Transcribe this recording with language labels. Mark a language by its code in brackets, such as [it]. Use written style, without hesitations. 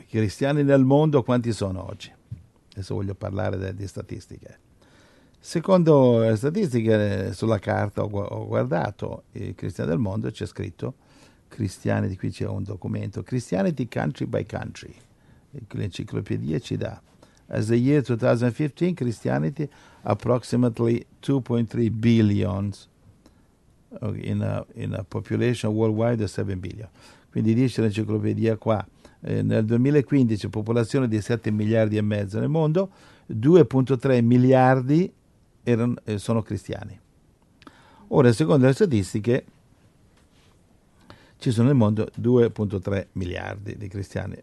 [it] I cristiani nel mondo quanti sono oggi? Adesso voglio parlare di statistiche. Secondo le statistiche sulla carta ho guardato, i cristiani del mondo, c'è scritto cristiani, di qui c'è un documento, Christianity Country by Country, l'enciclopedia ci dà. [en] As the year 2015, Christianity approximately 2.3 billion in a population worldwide of 7 billion. [it] Quindi dice l'enciclopedia qua, nel 2015 popolazione di 7 miliardi e mezzo nel mondo, 2.3 miliardi sono cristiani. Ora, secondo le statistiche, ci sono nel mondo 2.3 miliardi di cristiani.